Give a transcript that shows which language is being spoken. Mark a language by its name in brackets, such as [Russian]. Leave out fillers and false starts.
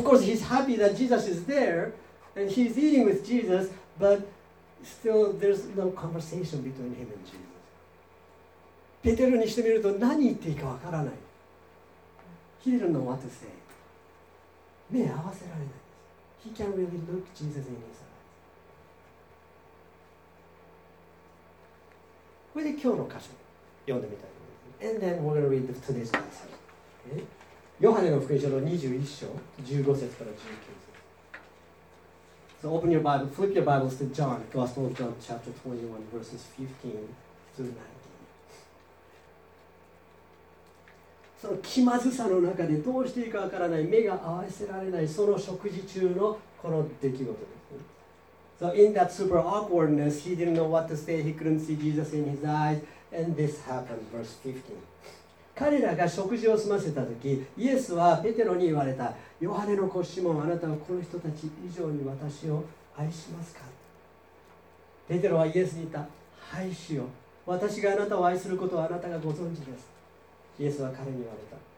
[English] Of course, he's happy that Jesus is there, and he's eating with Jesus, but still, there's no conversation between him and Jesus. [Japanese] ペテロにしてみると何言っていいかわからない。 [English] He didn't know what to say. [Japanese] 目合わせられない。 [English] He can't really look Jesus in his eyes. [Japanese] これで今日の箇所読んでみたい。 [English] And then we're going to read today's passage. [Japanese] ヨハネの福音書の21章、15節から19節。 [English] So open your Bible, flip your Bibles to John, Gospel of John, chapter 21, verses 15 through 19. [Japanese] その気まずさの中でどうしていいかわからない、目が合わせられない、その食事中のこの出来事です。 [English] So in that super awkwardness, he didn't know what to say, he couldn't see Jesus in his eyes, and this happened, verse 15. [Japanese] 彼らが食事を済ませたとき、イエスはペテロに言われた。ヨハネの子シモン、あなたはこの人たち以上に私を愛しますか？ペテロはイエスに言った。はい、主よ。私があなたを愛することはあなたがご存知です。イエスは彼に言われた。